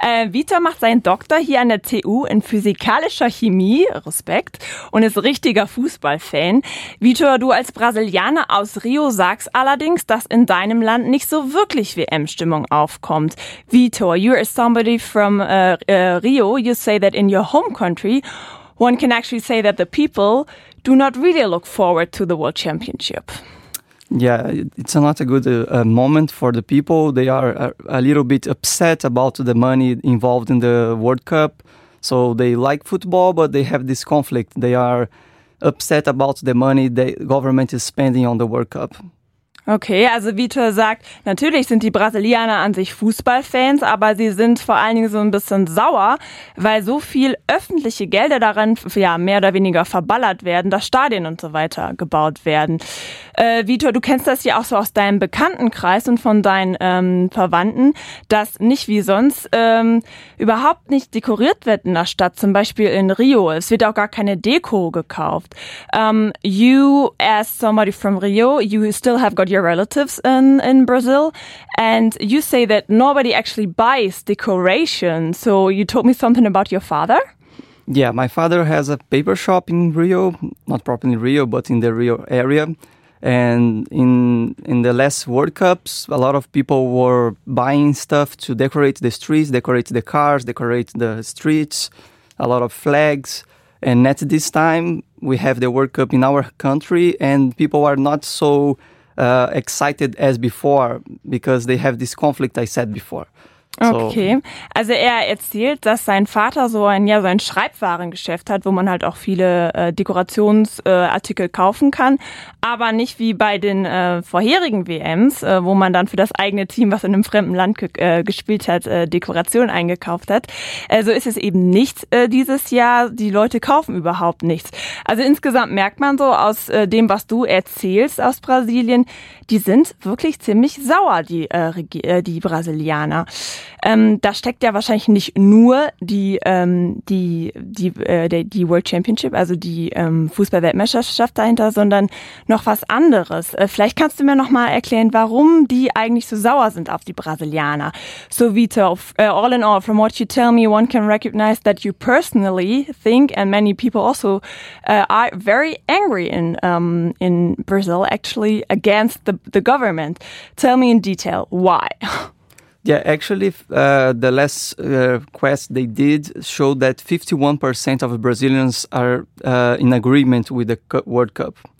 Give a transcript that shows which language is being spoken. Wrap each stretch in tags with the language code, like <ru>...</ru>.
<de>Vitor macht seinen Doktor hier an der TU in physikalischer Chemie, Respekt, und ist richtiger Fußballfan. Vitor, du als Brasilianer aus Rio sagst allerdings, dass in deinem Land nicht so wirklich WM-Stimmung aufkommt.</de> <en>Vitor, you are somebody from Rio. You say that in your home country, one can actually say that the people do not really look forward to the World Championship. Yeah, it's not a good moment for the people. They are a little bit upset about the money involved in the World Cup. So they like football, but they have this conflict. They are upset about the money the government is spending on the World Cup.</en> <de>Okay, also Vitor sagt, natürlich sind die Brasilianer an sich Fußballfans, aber sie sind vor allen Dingen so ein bisschen sauer, weil so viel öffentliche Gelder darin, ja, mehr oder weniger verballert werden, dass Stadien und so weiter gebaut werden. Vitor, du kennst das ja auch so aus deinem Bekanntenkreis und von deinen Verwandten, dass nicht wie sonst überhaupt nicht dekoriert wird in der Stadt, zum Beispiel in Rio. Es wird auch gar keine Deko gekauft.</de> <en>You, as somebody from Rio, you still have your relatives in Brazil, and you say that nobody actually buys decoration. So you told me something about your father? Yeah, my father has a paper shop in Rio, not properly Rio, but in the Rio area. And in the last World Cups, a lot of people were buying stuff to decorate the streets, decorate the cars, decorate the streets, a lot of flags. And at this time, we have the World Cup in our country, and people are not so excited as before, because they have this conflict I said before. So.</en> <de>Okay, also er erzählt, dass sein Vater so ein, ja, so ein Schreibwarengeschäft hat, wo man halt auch viele Dekorationsartikel kaufen kann, aber nicht wie bei den vorherigen WMs, wo man dann für das eigene Team, was in einem fremden Land gespielt hat, Dekoration eingekauft hat. Also ist es eben nicht dieses Jahr, die Leute kaufen überhaupt nichts. Also insgesamt merkt man so aus dem, was du erzählst aus Brasilien, die sind wirklich ziemlich sauer, die Brasilianer. Da steckt ja wahrscheinlich nicht nur die World Championship, also die Fußball-Weltmeisterschaft dahinter, sondern noch was anderes. Vielleicht kannst du mir nochmal erklären, warum die eigentlich so sauer sind auf die Brasilianer.</de> <en>So Vitor, all in all, from what you tell me, one can recognize that you personally think, and many people also, are very angry in Brazil, actually, against the government. Tell me in detail, why? Yeah, actually, the last quest they did showed that 51% of Brazilians are in agreement with the World Cup.</en>